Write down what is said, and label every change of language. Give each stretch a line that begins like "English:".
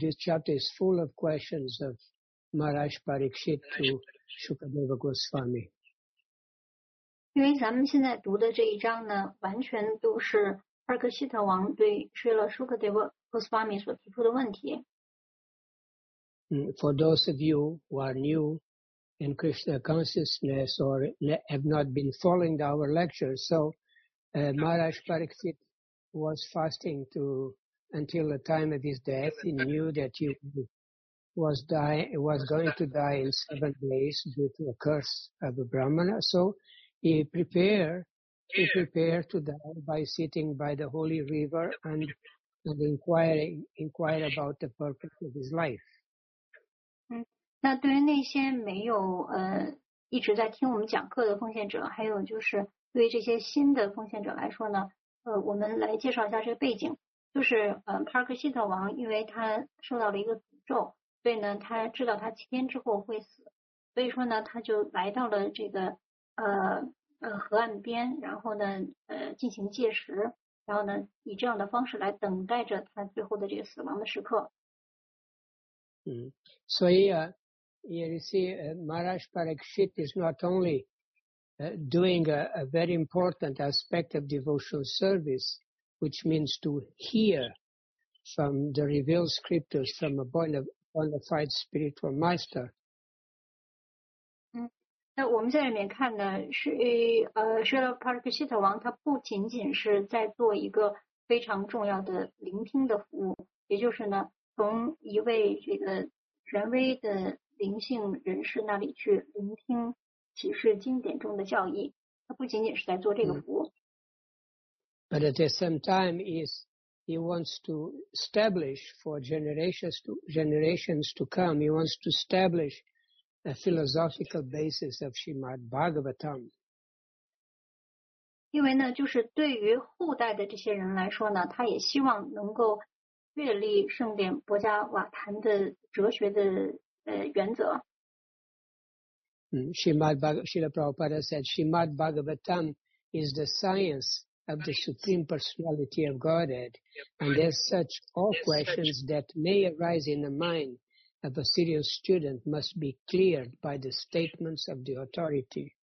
English: This chapter is full of questions of Maharaj Parikshit to Shukadeva Goswami.
Chinese: 因为咱们现在读的这一章呢，完全都是帕克希特王对施乐舒克德沃和斯瓦米所提出的问题。
English: For those of you who are new in Krishna consciousness or have not been following our lectures, so Maharaj Parikshit was fasting to until the time of his death, he knew that he was going to die in 7 days due to a curse of a Brahmana. So he prepared to die by sitting by the holy river and inquire about the purpose of his life.
Chinese: 那对于那些没有一直在听我们讲课的奉献者，还有就是对于这些新的奉献者来说呢，我们来介绍一下这个背景。就是帕克希特王因为他受到了一个诅咒，所以呢他知道他七天之后会死，所以说呢他就来到了这个河岸边，然后呢进行戒食，然后呢以这样的方式来等待着他最后的这个死亡的时刻。
English: 所以you see, Maharaj Parikshit is not only doing a very important aspect of devotional service, which means to hear from the revealed scriptures from a bona fide spiritual master.
Chinese: 那我们在里面看呢，Srila Parikshit 王他不仅仅是在做一个非常重要的聆听的服务，也就是呢，从一位这个权威的灵性人士那里去聆听启示经典中的教义，他不仅仅是在做这个服务。
English: But at the same time, he wants to establish for generations to come, he wants to establish a philosophical basis of Srimad Bhagavatam.
Chinese: 因为呢，就是对于后代的这些人来说呢，他也希望能够确立圣典薄伽瓦坛的哲学的原则。
English: Srila Prabhupada said, Srimad Bhagavatam is the science of the Supreme Personality of Godhead, and as such, all questions that may arise in the mind of a serious student must be cleared by the statements of the authority.